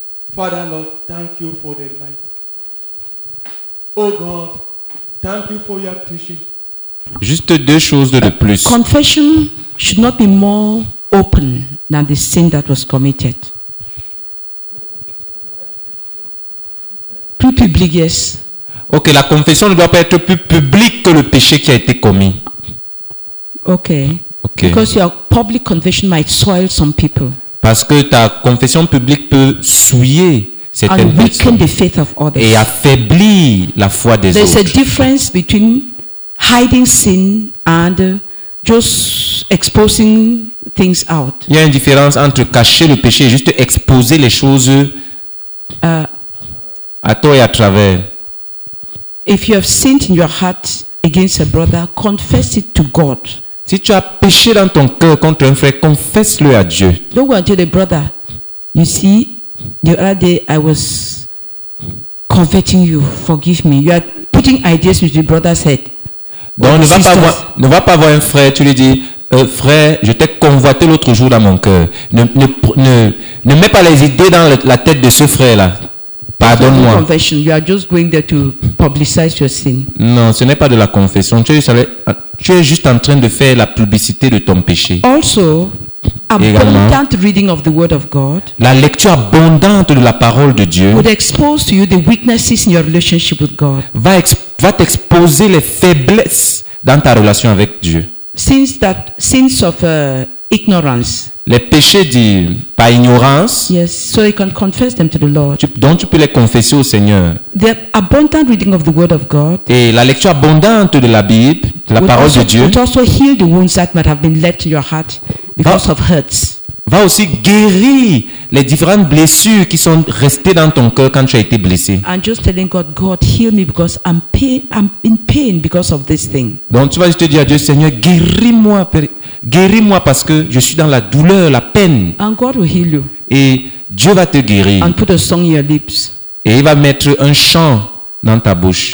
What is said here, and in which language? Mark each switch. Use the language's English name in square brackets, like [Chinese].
[English] Father, Lord, thank you for the light. Oh God, thank you for your teaching. [French] Juste deux choses de plus. [English] Confession should not be more open than the sin that was committed. [French] Plus public, [English] yes. [French] Ok, la confession ne doit pas être plus publique que le péché qui a été commis. Ok. [English] Because your public confession might soil some people. [French] Parce que ta confession publique peut souiller certaines [English] and [French] personnes. [English] And weaken the faith of others. [French] Et affaiblir la foi des [English] There's [French] autres. [English] There's a difference between hiding sin and just exposing things out. [French] Il y a une différence entre cacher le péché et juste exposer les choses à toi et à travers. [English] If you have sinned in your heart against a brother, confess it to God. [French] Si tu as péché dans ton cœur contre un frère, confesse-le à Dieu. [English] Don't go and tell the brother, you see, the other day I was converting you, forgive me. You are putting ideas into the brother's head. [French] Donc ne va pas voir un frère, tu lui dis, frère, je t'ai convoité l'autre jour dans mon cœur. Ne mets pas les idées dans la tête de ce frère-là. Pardonne-moi. Confession. [English] You are just going there to publicize your sin. [French] Non, ce n'est pas de la confession. Tu es juste en train de faire la publicité de ton péché. [English] Also, abundant reading of the word of God. [French] La lecture abondante de la parole de Dieu. [English] Would expose to you the weaknesses in your relationship with God. [French] Va t'exposer les faiblesses dans ta relation avec Dieu. [English] Sins of ignorance. [French] Les péchés dits par ignorance. [English] Yes, so you can confess them to the Lord. [French] Donc tu peux les confesser au Seigneur. [English] The abundant reading of the word of God. [French] Et la lecture abondante de la Bible, de la parole [English] also, [French] de Dieu. [English] Would also heal the wounds that might have been left in your heart because of hurts. [French] va aussi guérir les différentes blessures qui sont restées dans ton cœur quand tu as été blessé. [English] I'm just telling God, God, heal me because I'm in pain because of this thing. [French] Donc tu vas juste dire à Dieu, Seigneur, guéris-moi parce que je suis dans la douleur, la peine. [English] And God will heal you. [French] Et Dieu va te guérir. [English] And put a song in your lips. [French] Et il va mettre un chant dans ta bouche.